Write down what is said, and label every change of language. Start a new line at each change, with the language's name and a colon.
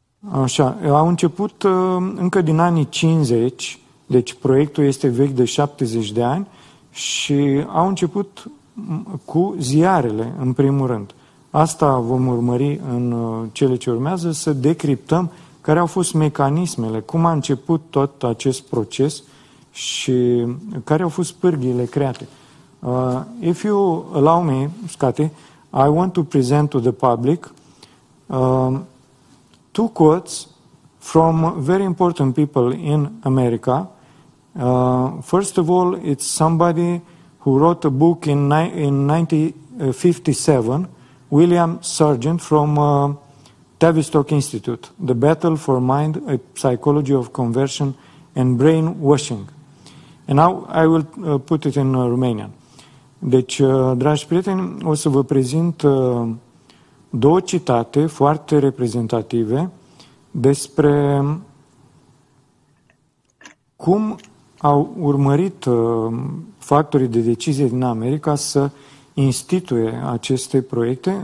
Romanian: Așa, au început încă din anii 50, deci proiectul este vechi de 70 de ani, și au început cu ziarele, în primul rând. Asta vom urmări în cele ce urmează, să decriptăm care au fost mecanismele, cum a început tot acest proces și care au fost pârghiile create.
English: If you allow me, Scotty, I want to present to the public two quotes from very important people in America. First of all, it's somebody who wrote a book in 1957, William Sargent from Tavistock Institute, The Battle for Mind, a Psychology of Conversion and Brainwashing. And now I will put it in Romanian.
Romanian: Deci, dragi prieteni, o să vă prezint două citate foarte reprezentative despre cum au urmărit factorii de decizie din America să instituie aceste proiecte.